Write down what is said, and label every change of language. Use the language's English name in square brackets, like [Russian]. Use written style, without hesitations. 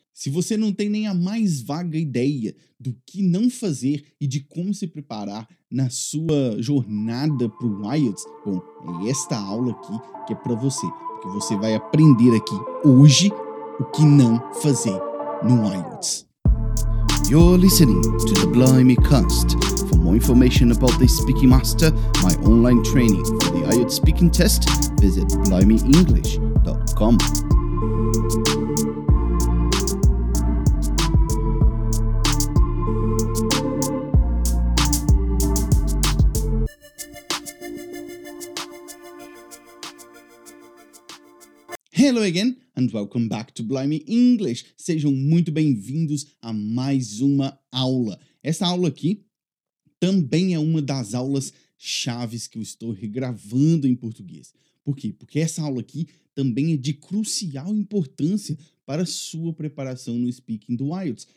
[Portuguese] Se você não tem nem a mais vaga ideia do que não fazer e de como se preparar na sua jornada para o IELTS, bom, é esta aula aqui que é para você, porque você vai aprender aqui hoje o que não fazer no IELTS. [English] You're listening to the Blimey Cast. For more information about the Speaking Master, my online training for the IELTS speaking test, visit blimeyenglish.com. Hello again and welcome back to Blimey English. [Portuguese] Sejam muito bem-vindos a mais uma aula. Essa aula aqui também é uma das aulas chaves que eu estou regravando em português. Por quê? Porque essa aula aqui também é de crucial importância para a sua preparação no Speaking do IELTS.